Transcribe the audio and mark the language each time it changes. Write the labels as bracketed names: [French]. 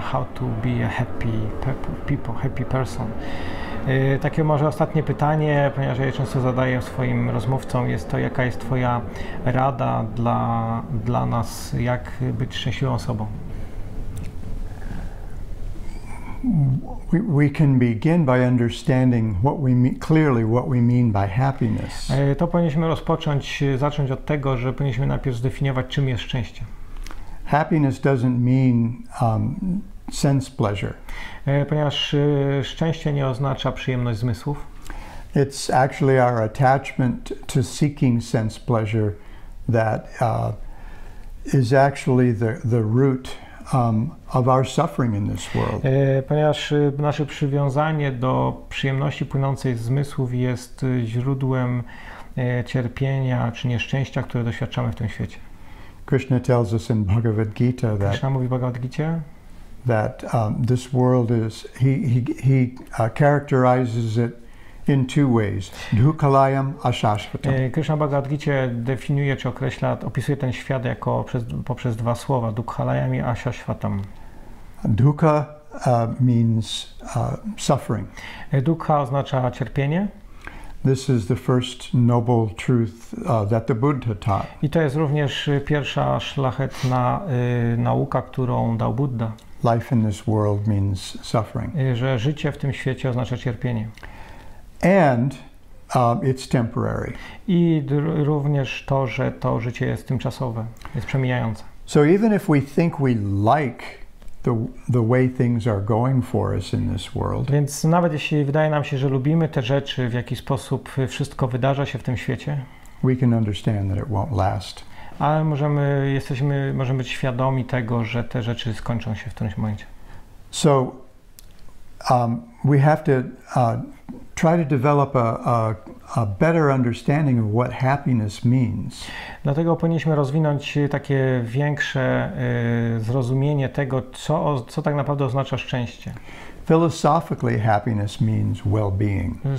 [English] How to be a happy people, happy person? [Polish] Takie może ostatnie pytanie, ponieważ ja często zadaję swoim rozmówcom, jest to, jaka jest twoja rada dla nas, jak być szczęśliwą osobą? [English] We can begin by understanding what we mean, clearly what we mean by happiness. [Polish] To powinniśmy zacząć od tego, że powinniśmy najpierw zdefiniować, czym jest szczęście. [English] Happiness doesn't mean sense pleasure. [Polish] Ponieważ szczęście nie oznacza przyjemność zmysłów. [English] It's actually our attachment to seeking sense pleasure that is actually the root of our suffering in this world. [Polish] Ponieważ nasze przywiązanie do przyjemności płynącej z zmysłów jest źródłem cierpienia czy nieszczęścia, które doświadczamy w tym świecie. [English] Krishna tells us in Bhagavad Gita that [Polish] Krishna mówi w Bhagavad Gita, [English] that this world is he characterizes it in two ways: dukkhalayam ashashvatam. [Polish] Krishna Bhagavad Gita definiuje czy określa, opisuje ten świat jako poprzez dwa słowa: dukkhalayam i ashashvatam. [English] Dukkha means suffering. [Polish] Dukkha oznacza cierpienie. [English] This is the first noble truth that the Buddha taught. [Polish] I to jest również pierwsza szlachetna nauka, którą dał Buddha. [English] Life in this world means suffering. [Polish] Że życie w tym świecie oznacza cierpienie. [English] And it's temporary. [Polish] I również to, że to życie jest tymczasowe, jest przemijające. [English] So even if we think we like the way things are going for us in this world. [Polish] Więc nawet jeśli wydaje nam się, że lubimy te rzeczy, w jaki sposób wszystko wydarza się w tym świecie, [English] we can understand that it won't last. [Polish] Ale możemy być świadomi tego, że te rzeczy skończą się w którymś momencie. [English] So we have to try to develop a better understanding of what happiness means. [Polish] Dlatego powinniśmy rozwinąć takie większe zrozumienie tego, co tak naprawdę oznacza szczęście. [English] Philosophically, happiness means well-being.